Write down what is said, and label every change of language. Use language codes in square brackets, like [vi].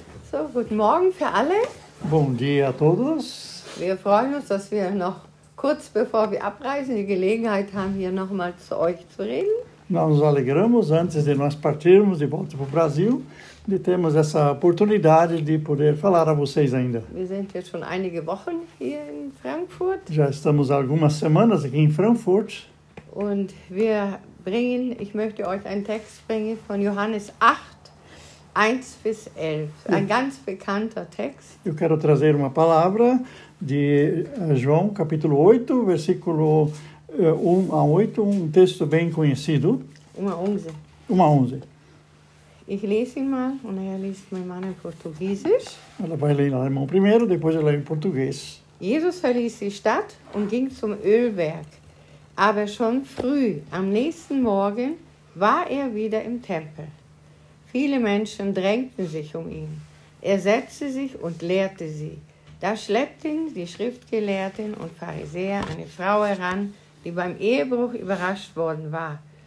[de] So, guten Morgen für alle. [pt] Bom dia a todos. [de] Wir freuen uns, dass wir noch kurz bevor wir abreisen die Gelegenheit haben, hier nochmal zu euch zu reden. [pt] Nós alegramos antes de nós partirmos de volta para o Brasil de termos essa oportunidade de poder falar a vocês ainda. [de] Wir sind jetzt schon einige Wochen hier in Frankfurt. [pt] Já estamos algumas semanas aqui em Frankfurt. [de] Und wir bringen, ich möchte euch einen Text bringen von Johannes 8, 1 bis 11. Ein ganz bekannter Text. [pt] Eu quero trazer uma palavra de João, capítulo 8, versículo 1 a 8, um texto bem conhecido. 1 a 11. 1 a 11. [de] Ich lese ihn mal und er liest mein Mann in Portugiesisch. [pt] Ela vai ler em alemão primeiro, depois ela lê em português. [de] Jesus verließ die Stadt und ging zum Ölberg. Aber schon früh, am nächsten Morgen, war er wieder im Tempel. Viele Menschen drängten sich um ihn. Er setzte sich und lehrte sie. Da schleppten die Schriftgelehrten und Pharisäer eine Frau heran, die beim Ehebruch überrascht worden war.